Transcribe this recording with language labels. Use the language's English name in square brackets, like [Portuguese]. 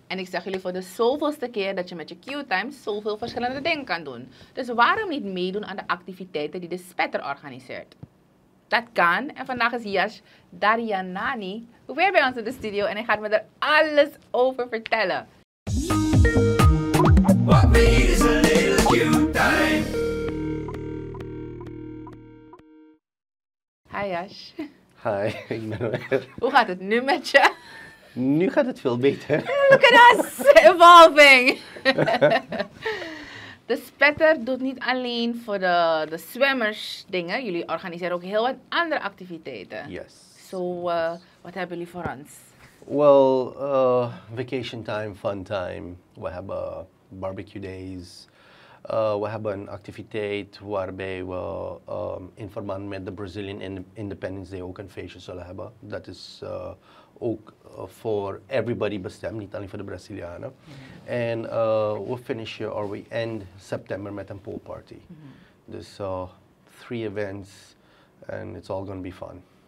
[Dutch] En ik zeg jullie voor de zoveelste keer dat je met je Q-Time zoveel verschillende dingen kan doen. Dus waarom niet meedoen aan de activiteiten die de Spetter organiseert? Dat kan. En vandaag is Yash Darianani weer bij ons in de studio en hij gaat me er alles over vertellen. [English] What we need is a little Q-Time. Hi Yash. [Dutch] Hi, ik ben weer. Hoe gaat het nu met je? Nu gaat het veel beter. [English] Look at us, evolving. [Dutch] De Spetter doet niet alleen voor de zwemmers dingen. Jullie organiseren ook heel wat andere activiteiten. [English] Yes. [Dutch] So, wat hebben jullie voor ons? [English] Well, vacation time, fun time. [Dutch] We hebben barbecue days. We hebben een activiteit waarbij we in verband met de Brazilian Independence Day ook een feestje zullen hebben. Dat is ook voor everybody bestemd, niet alleen voor de Brazilianen. En we end september met een pool party. [English] Dus three events and it's all going to be fun.